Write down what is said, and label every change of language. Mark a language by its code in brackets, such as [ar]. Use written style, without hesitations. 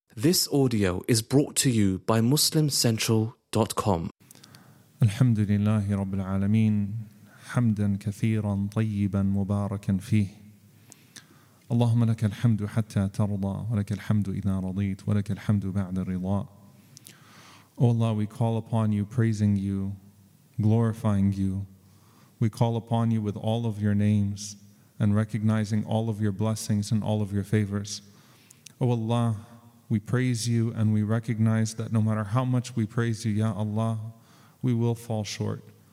[en] This audio is brought to you by MuslimCentral.com. [ar] الحمد لله رب العالمين حمدا كثيرا طيبا مباركا فيه اللهم لك الحمد حتى ترضى ولك الحمد إذا رضيت ولك الحمد بعد الرضا. [en] O Allah, we call upon you, praising you, glorifying you. We call upon you with all of your names and recognizing all of your blessings and all of your favors. O Allah, we praise you and we recognize that no matter how much we praise you, Ya Allah, we will fall short.